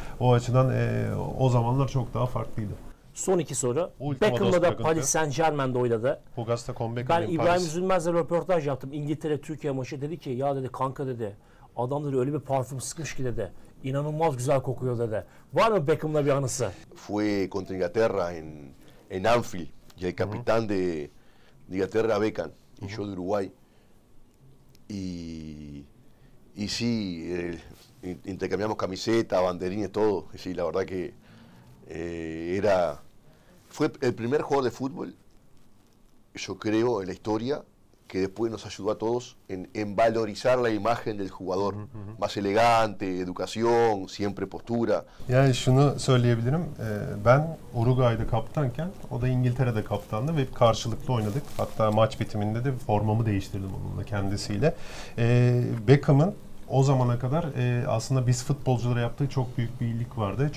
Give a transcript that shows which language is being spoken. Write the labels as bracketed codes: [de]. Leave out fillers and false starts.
[tr] O açıdan o zamanlar çok daha farklıydı. Son iki soru. Beckham'la da Paris Saint Germain'de oynadı. Hugas'ta comeback. Ben İbrahim Üzülmez'le röportaj yaptım. İngiltere-Türkiye maçı dedi ki, ya dedi kanka dedi, adam dedi öyle bir parfüm sıkmış ki dedi. İnanılmaz güzel kokuyor dedi. Var mı Beckham'la bir anısı? [es] Fue contra Inglaterra en Anfield. Y el capitán de Inglaterra, Beckham. Y yo de Uruguay. Y sí, intercambiamos camiseta, banderines, todo. Y sí, la verdad que era... Fue el primer jugador de fútbol, yo creo, en la historia, que después nos ayudó a todos en valorizar la imagen del jugador. Más elegante, educación, siempre postura. [tr] Yani şunu söyleyebilirim. Ben Uruguay'da kaptanken, o da İngiltere'de kaptandı ve karşılıklı oynadık. Hatta maç bitiminde de formamı değiştirdim onunla, kendisiyle. Beckham'ın o zamana kadar aslında biz futbolculara yaptığı çok büyük bir iyilik vardı.